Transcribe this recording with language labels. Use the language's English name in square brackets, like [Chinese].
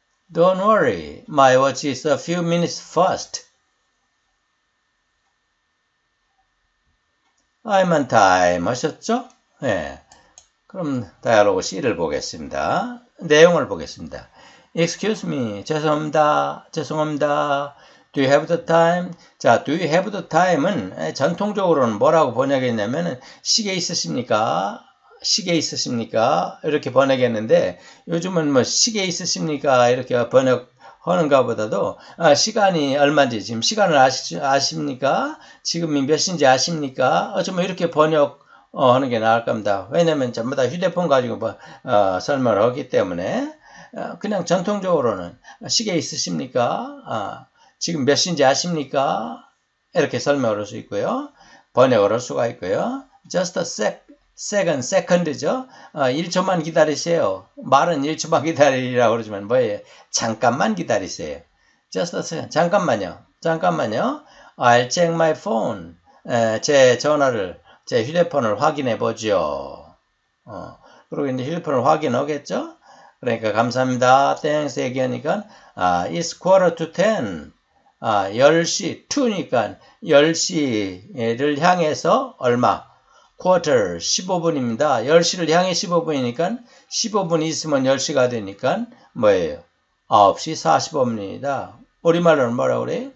[English] Don't worry, my watch is a few minutes fast. I'm on time, [Korean] 하셨죠? 예. 네. 그럼, 다이아로그 C를 보겠습니다. 내용을 보겠습니다. [English] Excuse me, [Korean] 죄송합니다. 죄송합니다. [English] Do you have the time? [Korean] 자, [English] do you have the time [Korean] 은 전통적으로는 뭐라고 번역했냐면, 시계 있으십니까? 시계 있으십니까? 이렇게 번역했는데, 요즘은 뭐, 시계 있으십니까? 이렇게 번역하는가 보다도, 아, 시간이 얼마인지, 지금 시간을 아십니까? 지금이 몇 시인지 아십니까? 어쩌면 이렇게 번역하는 게 나을 겁니다. 왜냐면 전부 다 휴대폰 가지고 뭐, 설명을 하기 때문에, 그냥 전통적으로는, 시계 있으십니까? 지금 몇 시인지 아십니까? 이렇게 설명을 할 수 있고요. 번역을 할 수가 있고요. [English] Just a sec. Second, [Korean] second죠. 1초만 기다리세요. 말은 1초만 기다리라고 그러지만 뭐예요? 잠깐만 기다리세요. [English] Just a second. [Korean] 잠깐만요. 잠깐만요. [English] I'll check my phone. [Korean] 제 전화를, 제 휴대폰을 확인해 보죠. 그리고 이제 휴대폰을 확인하겠죠. 그러니까 감사합니다. [English] Thanks [Korean] 얘기하니까 [English] it's quarter to ten. [Korean] 10시, 2니까 10시를 향해서 얼마? quarter, 15분입니다. 10시를 향해 15분이니까, 15분 있으면 10시가 되니까, 뭐예요? 9시 45분입니다. 우리말로는 뭐라 그래요?